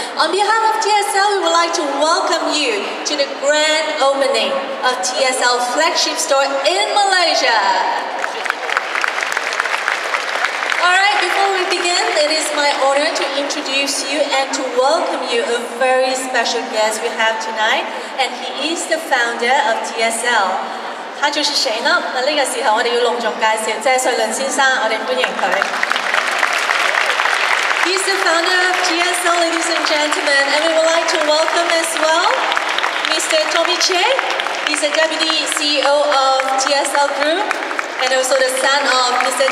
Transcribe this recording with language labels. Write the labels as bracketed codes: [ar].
[en] On behalf of TSL, we would like to welcome you to the grand opening of TSL flagship store in Malaysia. Alright, before we begin, it is my honor to introduce you and to welcome you a very special guest we have tonight, and he is the founder of TSL. [zh] 他就是誰呢? 這個時候我們要隆重介紹謝瑞倫先生,我們歡迎他。 [en] He's the founder of TSL, ladies and gentlemen, and we would like to welcome as well Mr. Tommy Che. He's the deputy CEO of TSL Group and also the son of Mr.